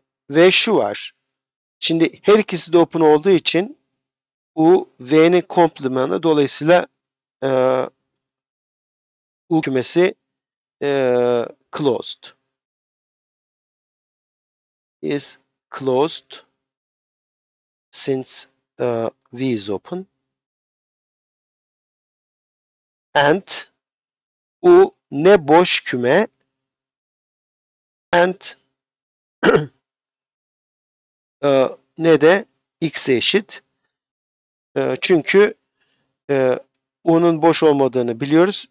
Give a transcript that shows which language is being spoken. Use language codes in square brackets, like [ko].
[tr] Ve şu var. Şimdi her ikisi de open olduğu için U v'nin komplemanı, dolayısıyla U kümesi closed. [en] Is closed since v is open. And [tr] U ne boş küme [en] and [tr] ne de x'e eşit. Çünkü U'nun boş olmadığını biliyoruz.